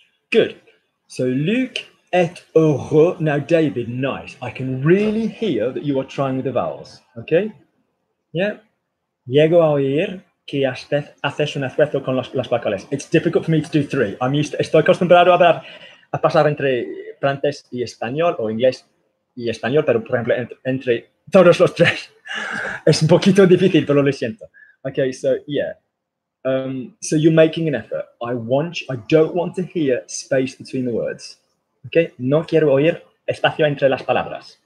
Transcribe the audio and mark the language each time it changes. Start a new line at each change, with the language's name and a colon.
English: Good. So
French: Luke est heureux.
English: Now, David, nice. I can really hear that you are trying with the vowels, okay? Yeah.
Spanish: Llego a oír que haces un esfuerzo con las vocales.
English: It's difficult for me to do three. I'm used to,
Spanish: estoy acostumbrado a hablar, a pasar entre francés y español, o inglés y español, pero, por ejemplo, entre todos los tres. Es un poquito difícil, pero lo siento.
English: Okay, so, yeah. So you're making an effort. I don't want to hear space between the words.
Spanish: Okay, no quiero oír espacio entre las palabras.